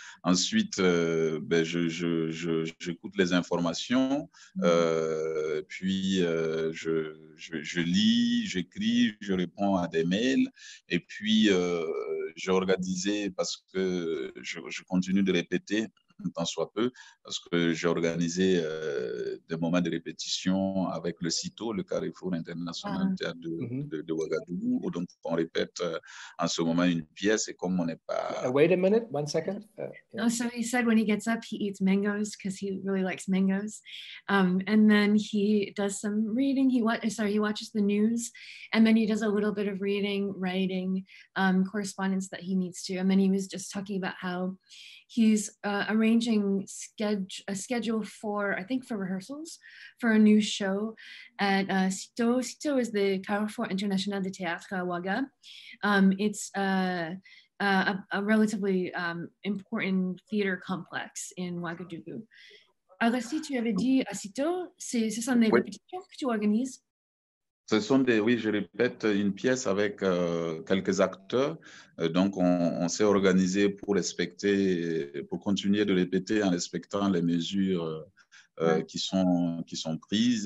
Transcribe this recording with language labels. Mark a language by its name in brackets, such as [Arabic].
[French] Ensuite, j'écoute les informations, je lis, j'écris, je réponds à des mails, et puis j'ai organisé, parce que je continue de répéter, tant soit peu, parce que j'ai organisé des moments de répétition avec le CITO, le Carrefour International Théâtre de Ouagadougou. Donc, on répète en ce moment une pièce et comme on n'est pas... [English] Wait a minute, 1 second. So he said when he gets up, he eats mangoes because he really likes mangoes. And then he does some reading. He watches the news. And then he does a little bit of reading, writing, correspondence that he needs to. And then he was just talking about how he's arranging a schedule for, I think, for rehearsals for a new show at CITO. CITO is the Carrefour International de Théâtre à Ouaga. It's a relatively important theater complex in Ouagadougou. [French] Aresti, tu avais dit à CITO, ce sont des répétitions que tu organises? Je répète une pièce avec quelques acteurs. Donc, on s'est organisé pour respecter, pour continuer de répéter en respectant les mesures qui sont prises.